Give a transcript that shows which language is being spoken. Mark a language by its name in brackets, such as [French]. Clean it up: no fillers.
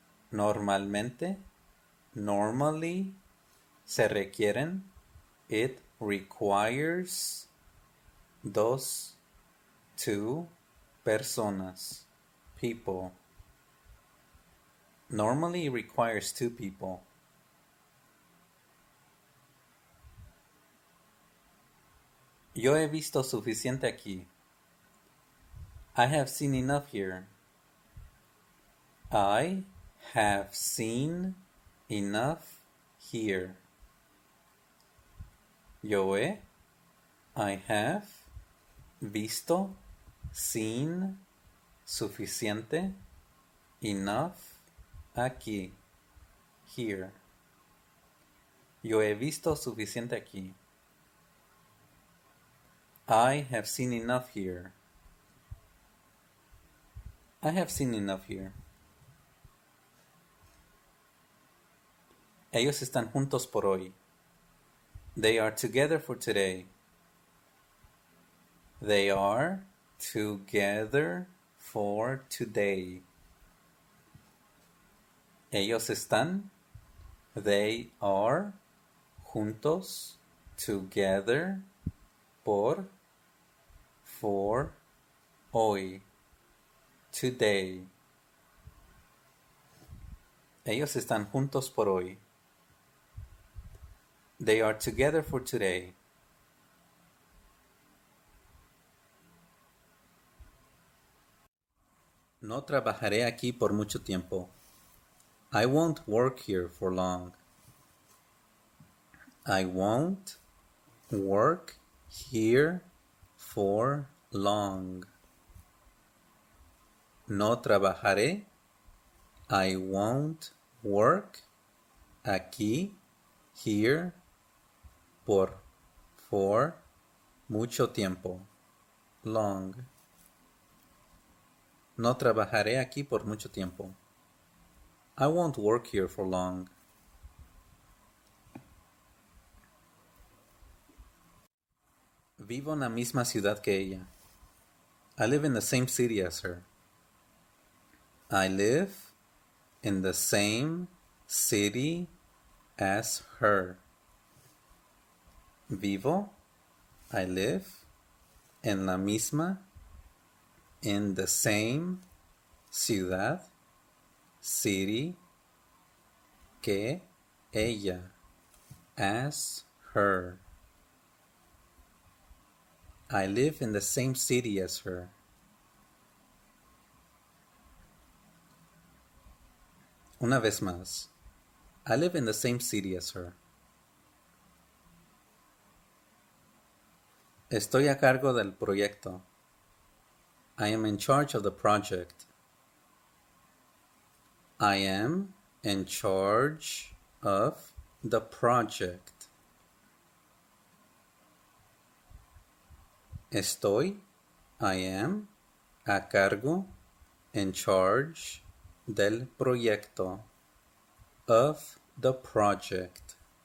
[Spanish] Normalmente, [English] normally [Spanish] se requieren, [English] it requires [Spanish] dos, [English] two [Spanish] personas. [English] People. Normally it requires two people. [Spanish] Yo he visto suficiente aquí. [English] I have seen enough here. I have seen enough here. [Spanish] Yo he, [English] I have [Spanish] visto, [English] seen [Spanish] suficiente, [English] enough, [Spanish] aquí, [English] here. [Spanish] Yo he visto suficiente aquí. [English] I have seen enough here. I have seen enough here. [Spanish] Ellos están juntos por hoy. [English] They are together for today. They are together for today. [Spanish] Ellos están, [English] they are, [Spanish] juntos, [English] together, [Spanish] por, [English] for, [Spanish] hoy, [English] today. [Spanish] Ellos están juntos por hoy. [English] They are together for today. [Spanish] No trabajaré aquí por mucho tiempo. [English] I won't work here for long. I won't work here for long. [Spanish] No trabajaré. [English] I won't work [Spanish] aquí, [English] here, [Spanish] por, [English] for, [Spanish] mucho tiempo. [English] Long. [Spanish] No trabajaré aquí por mucho tiempo. [English] I won't work here for long. [Spanish] Vivo en la misma ciudad que ella. [English] I live in the same city as her. I live in the same city as her. [Spanish] Vivo, [English] I live, [Spanish] en la misma, [English] in the same, [Spanish] ciudad, [English] city, [Spanish] que, ella, [English] as, her. I live in the same city as her. [Spanish] Una vez más. [English] I live in the same city as her. [Spanish] Estoy a cargo del proyecto. [English] I am in charge of the project. I am in charge of the project. [Spanish] Estoy, [English] I am, [Spanish] a cargo, [English] in charge, [Spanish] del proyecto, [English] of the project.